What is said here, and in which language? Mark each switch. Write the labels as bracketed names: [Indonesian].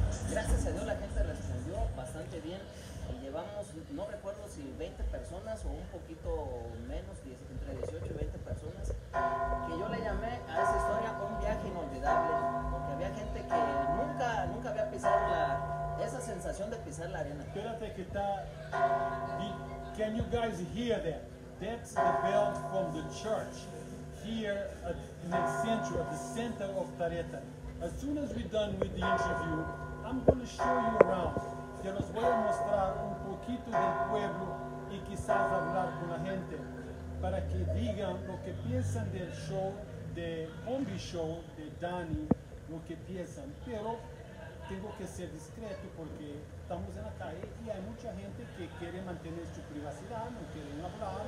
[Spanish] Gracias a Dios la gente respondió bastante bien y llevamos, no recuerdo si 20 personas o un poquito menos, entre 18 y 20 personas, que yo le llamé a esa historia un viaje inolvidable, porque había gente que nunca había pisado esa sensación de pisar la arena. Espérate que está... [English] Can you guys hear that? That's the bell from the church here in the center, at the center of Tareta. As soon as we're done with the interview, I'm going to show you around. [Spanish] Te los voy a mostrar un poquito del pueblo y quizás hablar con la gente para que digan lo que piensan del show, de Combi Show, de Dani, lo que piensan. Pero tengo que ser discreto porque estamos en la calle y hay mucha gente que quiere mantener su privacidad, no quieren hablar.